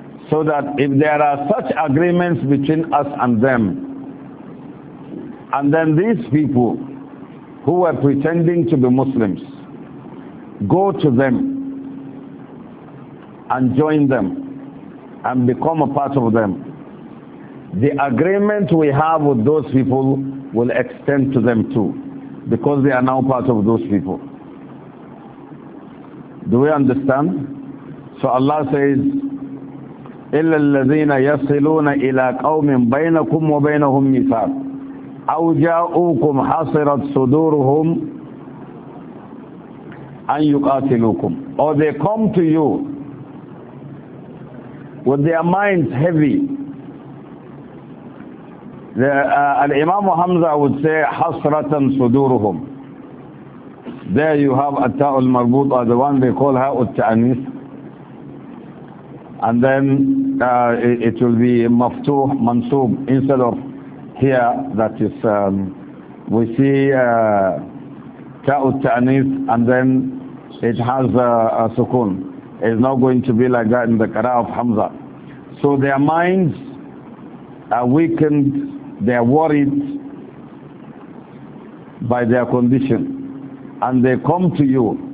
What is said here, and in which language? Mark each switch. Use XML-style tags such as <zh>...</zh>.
<en>So that if there are such agreements between us and them, and then these people who are pretending to be Muslims go to them and join them and become a part of them, the agreement we have with those people will extend to them too, because they are now part of those people. Do we understand? So Allah says,</en> <ar>إِلَّا الَّذِينَ يَصِلُونَ إِلَىٰ قَوْمٍ بَيْنَكُمْ وَبَيْنَهُمْ مِيثَاقٌ أَوْ جَاءُوكُمْ حَصِرَتْ صُدُورُهُمْ أَنْ يُقَاتِلُوكُمْ</ar> <en>Or they come to you with their minds heavy. Al-Imam Hamza would say</en> <ar>حَصْرَةً صُدُورُهُمْ</ar> <en>There you have At-Ta'u al-Marbut or the one they call her At-Ta'anis and then it will be</en> <ar>مَفْتُوح مَنْصُوب</ar> <en>instead of here that is we see</en> <ar>تَعُ التَّعْنِيث</ar> <en>and then it has a sukun it's not going to be like that in the Qara'a of Hamza so their minds are weakened They are worried by their condition and they come to you.</en>